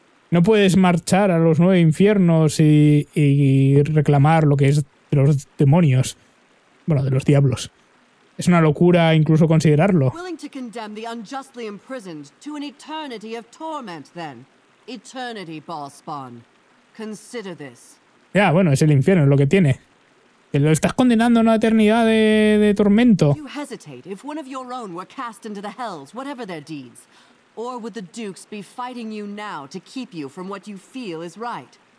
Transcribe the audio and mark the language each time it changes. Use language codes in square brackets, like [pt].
[es] No puedes marchar a los nueve infiernos y reclamar lo que es de los demonios. Bueno, de los diablos. Es una locura incluso considerarlo. [en] Willing to condemn the unjustly imprisoned to an eternity of torment, then. Eternity, Ballspawn. Consider this. [es] Ya, bueno, es el infierno, es lo que tiene. Te lo estás condenando a una eternidad de tormento. [en] You hesitate if one of your own were cast into the hells, whatever their deeds. Or would the Dukes be fighting you now to keep you from what you feel is right?